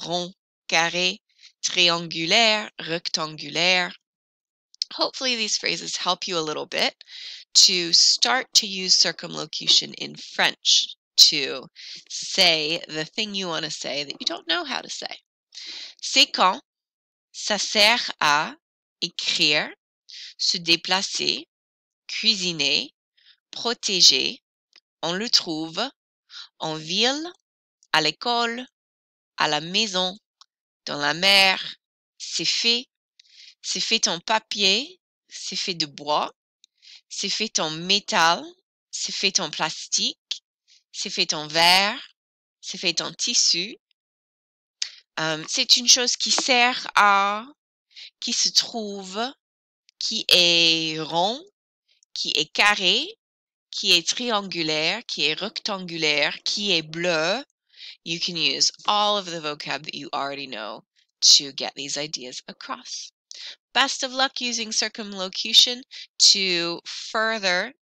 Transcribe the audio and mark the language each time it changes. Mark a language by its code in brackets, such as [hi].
[fr] Rond, carré. Triangulaire, rectangulaire. [en] Hopefully these phrases help you a little bit to start to use circumlocution in French to say the thing you want to say that you don't know how to say. [fr] C'est quand, ça sert à écrire, se déplacer, cuisiner, protéger, on le trouve, en ville, à l'école, à la maison. Dans la mer, c'est fait en papier, c'est fait de bois, c'est fait en métal, c'est fait en plastique, c'est fait en verre, c'est fait en tissu. C'est une chose qui sert à, qui se trouve, qui est rond, qui est carré, qui est triangulaire, qui est rectangulaire, qui est bleu. [en] You can use all of the vocab that you already know to get these ideas across. Best of luck using circumlocution to further